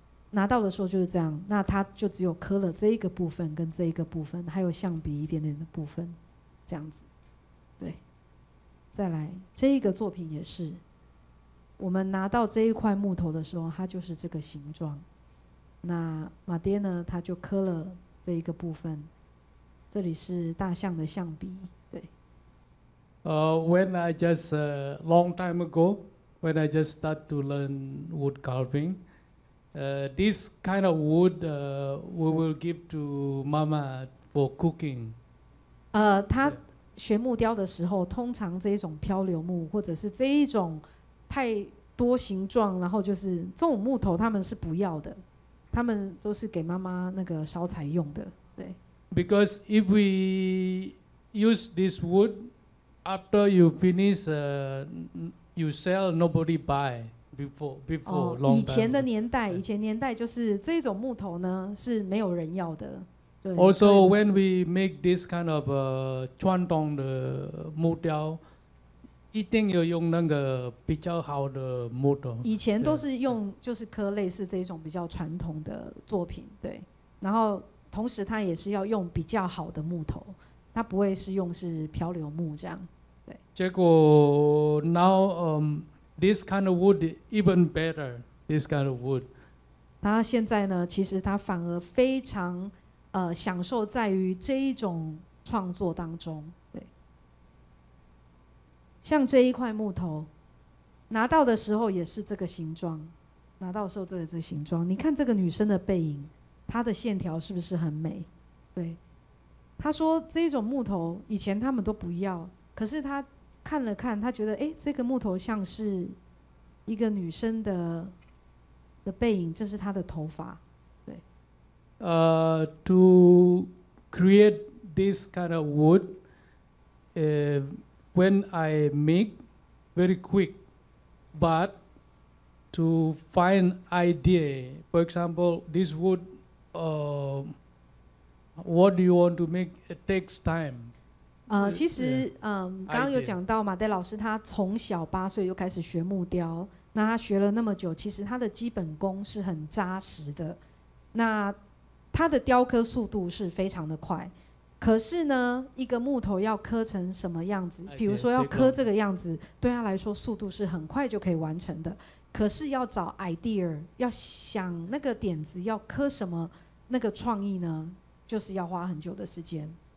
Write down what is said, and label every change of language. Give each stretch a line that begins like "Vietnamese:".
Chinese: 拿到的时候就是这样，那他就只有磕了这一个部分跟这一个部分，还有橡皮一点点的部分，这样子。对，再来这一个作品也是，我们拿到这一块木头的时候，它就是这个形状。那马爹呢，他就磕了这一个部分，这里是大象的橡皮。对。
English: When I just long time ago, when I just start to learn wood carving. This kind of wood we will give to Mama for cooking.
Chinese: 他学木雕的时候，通常这种漂流木或者是这一种太多形状，然后就是这种木头，他们是不要的，他们都是给妈妈那个烧柴用的。对。
English: Because if we use this wood, after you finish, you sell, nobody buy. Before long time.
Chinese: 以前的年代，以前年代就是这种木头呢是没有人要的。对。
English: Also, when we make this kind of
Chinese: Chuantong的木雕，一定要用那个比较好的木头。以前都是用就是刻类似这种比较传统的作品，对。然后同时它也是要用比较好的木头，它不会是用是漂流木这样。对。结果
English: now This kind of wood even better. This kind of wood.
Chinese: 他现在呢，其实他反而非常享受在于这一种创作当中。对，像这一块木头，拿到的时候也是这个形状，拿到的时候这个形状。你看这个女生的背影，她的线条是不是很美？对，他说这一种木头以前他们都不要，可是他。看了看，他觉得哎，这个木头像是一个女生的背影，这是她的头发，对。
English: To create this kind of wood, when I make very quick, but to find idea, for example, this wood, what do you want to make? It takes time.
Chinese: 其实刚刚有讲到马爹老师，他从小八岁就开始学木雕，那他学了那么久，其实他的基本功是很扎实的，那他的雕刻速度是非常的快，可是呢一个木头要刻成什么样子，比如说要刻这个样子，对他来说速度是很快就可以完成的，可是要找 idea， 要想那个点子要刻什么，那个创意呢就是要花很久的时间。